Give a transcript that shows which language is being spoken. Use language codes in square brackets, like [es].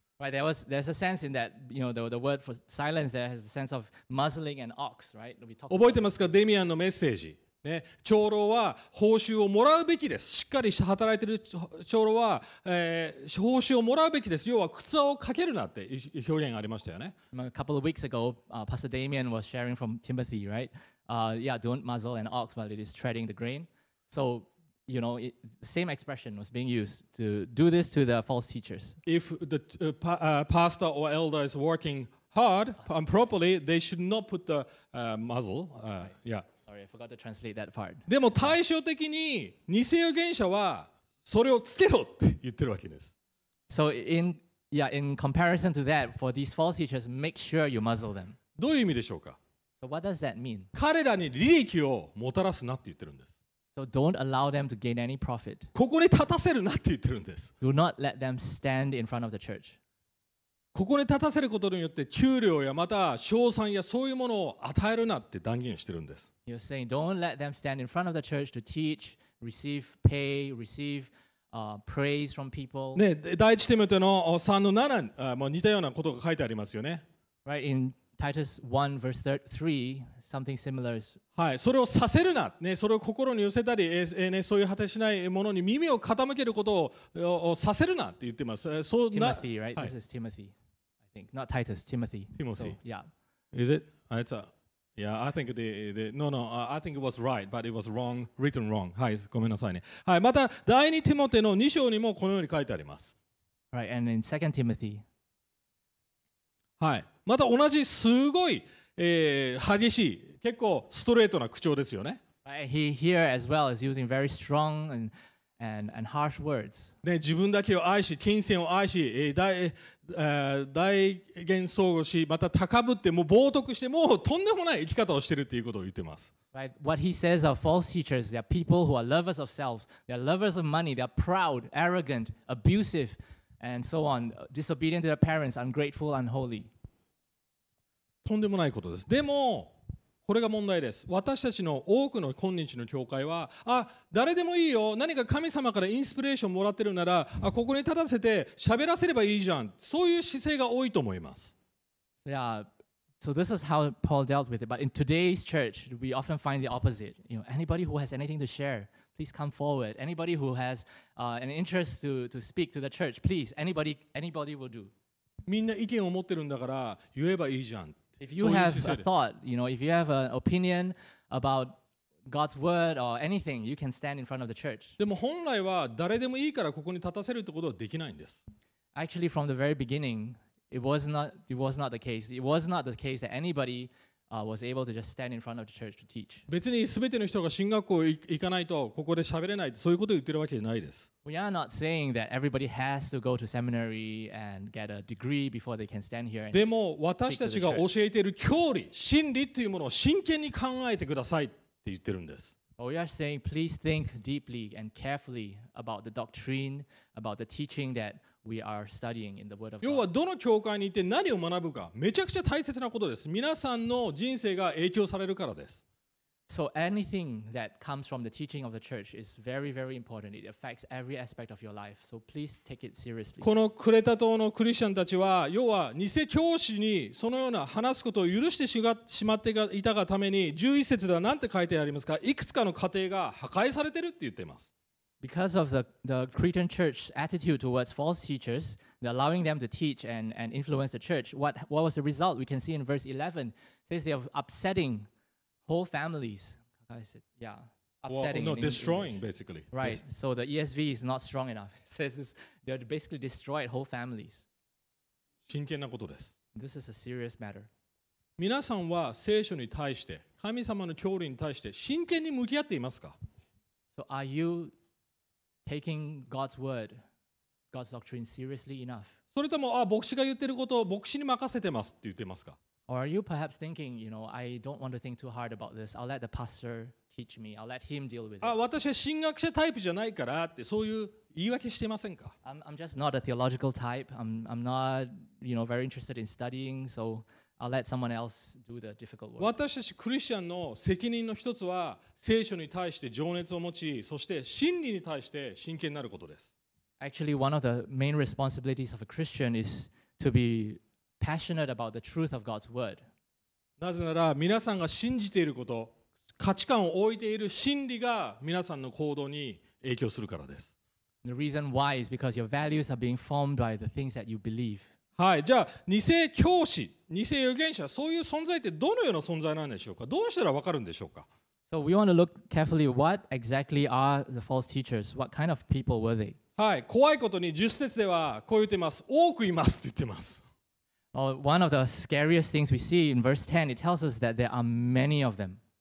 [en] Right, there's a sense in that, you know, the word for silence there has a sense of muzzling an ox, right? We talked. [ja] 覚えてますか、デミアンのメッセージ。ね、長老は報酬をもらうべきです。しっかりして働いている長老は、報酬をもらうべきです。要は靴をかけるなって表現がありましたよね。 [en] A couple of weeks ago, Pastor Damian was sharing from Timothy, right? Don't muzzle an ox while it is treading the grain. So. You know, same expression was being used to do this to the false teachers. If the pastor or elder is working hard and properly, they should not put the muzzle. Sorry, I forgot to translate that part. [ja] でも対照的に偽預言者はそれをつけろって言ってるわけです。 [en] So in comparison to that, for these false teachers, make sure you muzzle them. [ja] どういう意味でしょうか? [en] So what does that mean? [ja] 彼らに利益をもたらすなって言ってるんです。 [en] So don't allow them to gain any profit. [ja] ここに立たせるなって言ってるんです。 [en] Do not let them stand in front of the church. [ja] ここに立たせることによって給料やまた賞賛やそういうものを与えるなって断言してるんです。 [en] He's saying don't let them stand in front of the church to teach, receive pay, receive praise from people. [ja] ね、第一テムテの3の7、もう似たようなことが書いてありますよね。 [en] Right in Titus 1 verse 3. Something similar. [ja] はい、それをさせるな、ね、それを心に寄せたり、ね、そういう果てしないものに耳を傾けることをさせるなって言ってます。そう、 [en] Timothy, right? This is Timothy, I think. Not Titus, Timothy. Timothy. So, yeah. Is it? I think I think it was right, but it was wrong, written wrong. [ja] はい、ごめんなさいね。はい、また第二ティモテの2章にもこのように書いてあります。 [en] Right, and in 2 Timothy. [ja] はい、また同じすごい激しい、結構ストレートな口調ですよね。 [en] He here as well is using very strong and harsh words. [ja] ね、自分だけを愛し、金銭を愛し、大言騒語し、また高ぶって、もう冒涜して、もうとんでもない生き方をしているということを言ってます。 [en] Right, what he says are false teachers. They are people who are lovers of self. They are lovers of money. They are proud, arrogant, abusive, and so on. Disobedient to their parents, ungrateful, unholy. [ja] とんでもないことです。でもこれが問題です。私たちの多くの今日の教会は、誰でもいいよ。何か神様からインスピレーションもらってるなら、ここに立たせて喋らせればいいじゃん。そういう姿勢が多いと思います。 [en] Yeah, so this is how Paul dealt with it. But in today's church, we often find the opposite. You know, anybody who has anything to share, please come forward. Anybody who has an interest to speak to the church, please. Anybody will do. [ja] みんな意見を持ってるんだから言えばいいじゃん。 [en] If you have a thought, you know, if you have an opinion about God's word or anything, you can stand in front of the church. [ja] でも本来は誰でもいいからここに立たせるってことはできないんです。 [en] Actually, from the very beginning, it was not the case. It was not the case that anybody was able to just stand in front of the church to teach. [ja] 別に全ての人が神学校行かないとここで喋れない、そういうことを言ってるわけじゃないです。 [en] We are not saying that everybody has to go to seminary and get a degree before they can stand here. [ja] でも私たちが教えている教理、真理というものを真剣に考えてください。って言ってるんです。 [en] But we are saying, please think deeply and carefully about the doctrine, about the teaching that we are studying in the Word of God. [ja] 要はどの教会に行って何を学ぶか、めちゃくちゃ大切なことです。皆さんの人生が影響されるからです。 [en] So anything that comes from the teaching of the church is very, very important. It affects every aspect of your life. So please take it seriously. [ja] このクレタ島のクリスチャンたちは、要は偽教師にそのような話すことを許してしまっていたがために、11節では何て書いてありますか？いくつかの家庭が破壊されてるって言ってます。 [en] Because of the Cretan church's attitude towards false teachers, allowing them to teach and influence the church, what was the result? We can see in verse 11, it says they are upsetting whole families, I said, yeah, upsetting. Well, no, destroying, basically. Right, so the ESV is not strong enough. It says they're basically destroyed whole families. [ja] 真剣なことです。 [en] This is a serious matter. [ja] 皆さんは聖書に対して、神様の教理に対して真剣に向き合っていますか？ [en] So are you taking God's word, God's doctrine seriously enough? [ja] それとも、あ、牧師が言ってることを牧師に任せてますって言ってますか？ [en] Or are you perhaps thinking, you know, I don't want to think too hard about this. I'll let the pastor teach me. I'll let him deal with it. [ja] 私は神学者タイプじゃないからってそういう言い訳してませんか？ [en] I'm just not a theological type. I'm not, you know, very interested in studying. So I'll let someone else do the difficult work. [ja] 私たちクリスチャンの責任の一つは聖書に対して情熱を持ち、そして真理に対して真剣になることです。 [en] Actually, one of the main responsibilities of a Christian is to be passionate about the truth of God's word. [ja] なぜなら皆さんが信じていること、価値観を置いている真理が皆さんの行動に影響するからです。 [en] The reason why is because your values are being formed by the things that you believe. [ja] はい、じゃあ偽教師、偽預言者、そういう存在ってどのような存在なんでしょうか？どうしたらわかるんでしょうか？ [en] So we want to look carefully what exactly are the false teachers? What kind of people were they? [ja] はい、怖いことに10節ではこう言ってます。多くいますって言ってます。 [en] Well, one of the scariest things we see in verse 10, it tells us that there are many of them.